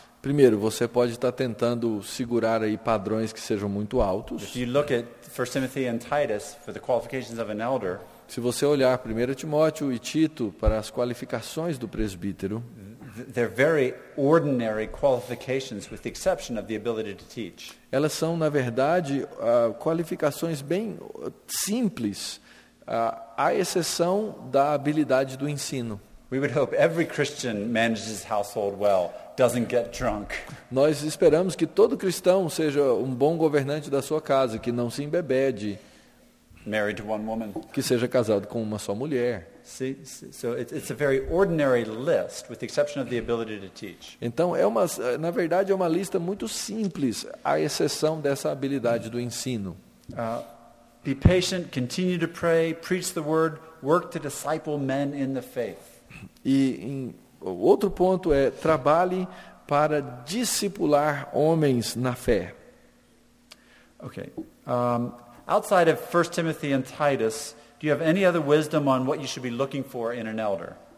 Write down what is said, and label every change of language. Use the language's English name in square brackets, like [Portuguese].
[Portuguese] Primeiro, você pode estar tentando segurar aí padrões que sejam muito altos. [English] If you look at 1 Timothy and Titus for the qualifications of an elder, [Portuguese] se você olhar 1 Timóteo e Tito para as qualificações do presbítero, [English] they're very ordinary qualifications with the exception of the ability to teach. [Portuguese] Elas são, na verdade, qualificações bem simples, à exceção da habilidade do ensino. [English] We would hope every Christian manages his household well, doesn't get drunk. [Portuguese] Nós esperamos que todo cristão seja um bom governante da sua casa, que não se embebede. [English] Married to one woman. [Portuguese] Que seja casado com uma só mulher. [English] So it's a very ordinary list, with the exception of the ability to teach. [Portuguese] Então, na verdade, é uma lista muito simples, à exceção dessa habilidade do ensino. [English] Be patient, continue to pray, preach the word, work to disciple men in the faith. [Portuguese] E outro ponto é: trabalhe para discipular homens na fé. [English] Okay. Outside of 1 Timothy and Titus, do you have any other wisdom on what you should be looking for in an elder?